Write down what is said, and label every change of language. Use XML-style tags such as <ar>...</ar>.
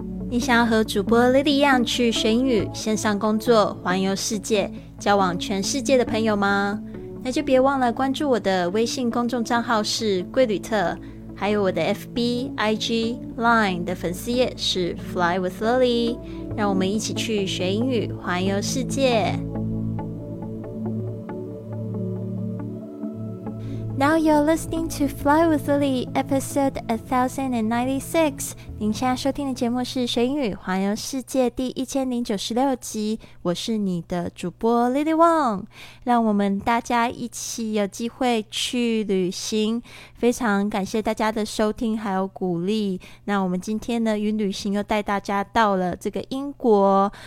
<zh>你想要和主播 Lily 一样去学英语、线上工作、环游世界、交往全世界的朋友吗？那就别忘了关注我的微信公众账号是贵旅特，还有我的 FB、IG、Line 的粉丝页是 Fly with Lily， 让我们一起去学英语、环游世界。</zh> <en>Now you're listening to Fly with Lily, episode 1096.</en> <zh>您现在收听的节目是学英语环游世界第1096集。我是你的主播 Lily Wong。让我们大家一起有机会去旅行。非常感谢大家的收听还有鼓励。那我们今天呢，云旅行又带大家到了这个英国。</zh>